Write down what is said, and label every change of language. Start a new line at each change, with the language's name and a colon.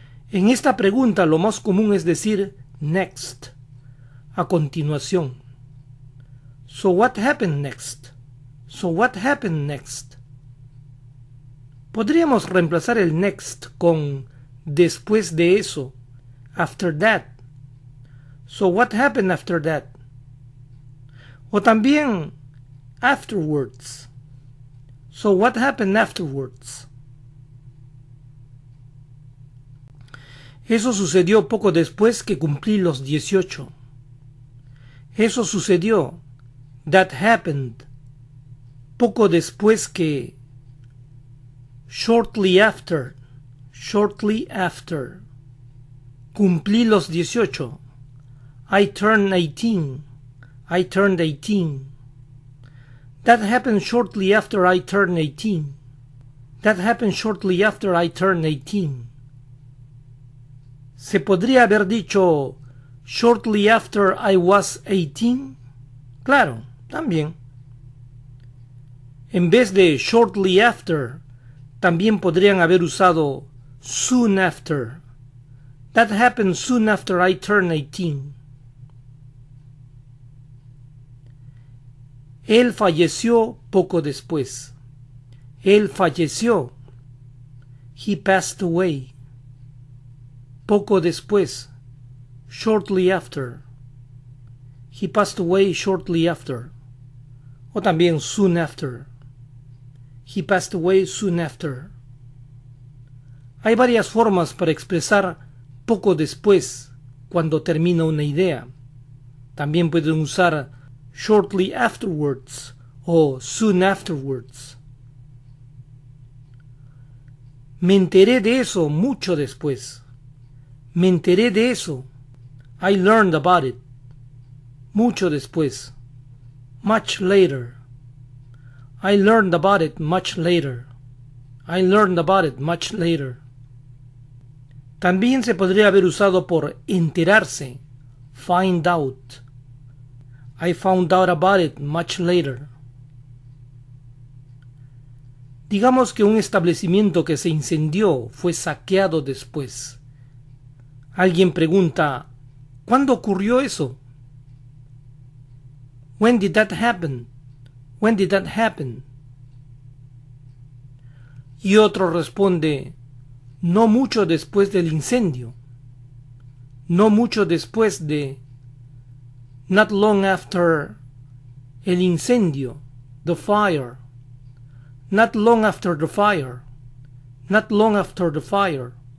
Spanish: En esta pregunta lo más común es decir next, a continuación.
English: So what happened next? So what happened next?
Spanish: Podríamos reemplazar el next con después de eso,
English: after that. So what happened after that?
Spanish: O también
English: afterwards. So what happened afterwards?
Spanish: Eso sucedió poco después que cumplí los 18. Eso sucedió.
English: That happened.
Spanish: Poco después que.
English: Shortly after. Shortly after.
Spanish: Cumplí los 18.
English: I turned 18. I turned 18. That happened shortly after I turned 18. That happened shortly after I turned 18.
Spanish: Se podría haber dicho
English: shortly after I was 18.
Spanish: Claro, también. En vez de shortly after, también podrían haber usado soon after.
English: That happened soon after I turned 18.
Spanish: Él falleció poco después. Él falleció.
English: He passed away.
Spanish: Poco después.
English: Shortly after. He passed away shortly after.
Spanish: O también
English: soon after. He passed away soon after.
Spanish: Hay varias formas para expresar poco después cuando termina una idea. También pueden usar
English: shortly afterwards
Spanish: o
English: soon afterwards.
Spanish: Me enteré de eso mucho después. Me enteré de eso.
English: I learned about it.
Spanish: Mucho después.
English: Much later. I learned about it much later. I learned about it much later.
Spanish: También se podría haber usado por enterarse.
English: Find out. I found out about it much later.
Spanish: Digamos que un establecimiento que se incendió fue saqueado después. Alguien pregunta, ¿cuándo ocurrió eso?
English: When did that happen? When did that happen?
Spanish: Y otro responde, no mucho después del incendio. No mucho después de,
English: not long after
Spanish: el incendio,
English: the fire. Not long after the fire. Not long after the fire.